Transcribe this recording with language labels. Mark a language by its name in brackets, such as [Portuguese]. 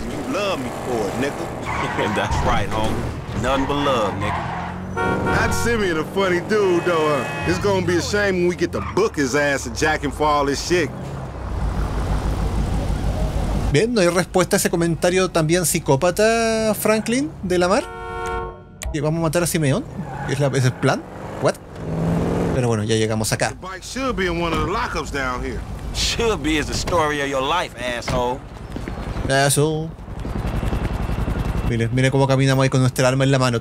[English] love me for it, nigga. That's right, homie. Nothing but love, nigga. That Simeon a funny dude, though, huh? It's gonna be a shame when we get to book his ass and jack him for all this shit. [Spanish] Bien, ¿no hay respuesta a ese comentario también psicópata, Franklin, de la mar? ¿Y vamos a matar a Simeón? ¿Es el plan? ¿What? Pero bueno, ya llegamos acá. [English] Your bike should be in one of the lockups down here. Should be is the story of your life, asshole. Asshole. [Spanish] Mire, mire cómo caminamos ahí con nuestra arma en la mano.